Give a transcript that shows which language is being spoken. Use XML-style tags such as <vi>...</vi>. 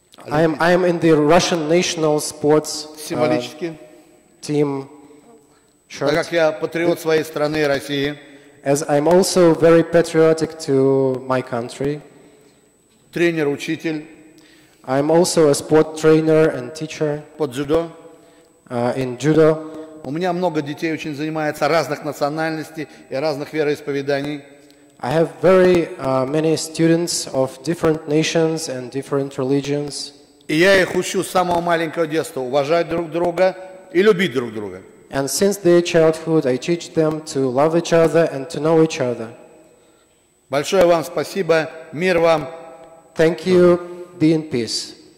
<en>I am in the Russian national sports team.</en> <ru>Так как я патриот своей страны России.</ru> <en>As I'm also very patriotic to my country.</en> <ru>Тренер, учитель.</ru> <en>I'm also a sport trainer and teacher.</en> <ru>Под дзюдо.</ru> <en>In judo.</en> <ru>У меня много детей очень занимается разных национальностей и разных вероисповеданий.</ru> <en>I have very many students of different nations and different religions.</en> <ru>И я их учу с самого маленького детства уважать друг друга и любить друг друга.</ru> <en>And since their childhood, I teach them to love each other and to know each other.</en> <ru>Большое вам спасибо. Мир вам.</ru> <en>Thank you. Be in peace.</en>